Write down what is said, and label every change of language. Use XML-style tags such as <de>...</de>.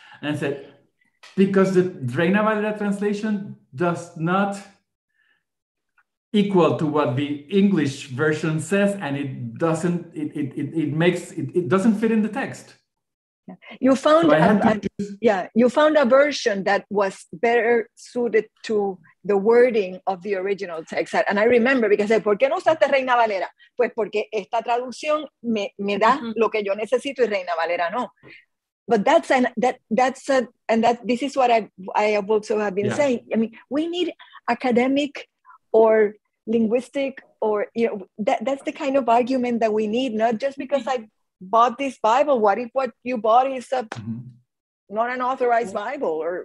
<en>And I said, because the Reina Valera translation does not equal to what the English version says, and it doesn't fit in the text. You found a version that was better suited to the wording of the original text. And I remember because I said,</en> <es>¿por qué no usaste Reina Valera? Pues porque esta traducción me da lo que yo necesito y Reina Valera no.</es> <en>But this is what I also have been saying. I mean, we need academic or linguistic that's the kind of argument that we need, not just because I bought this Bible. What if what you bought is not an authorized Bible?</en>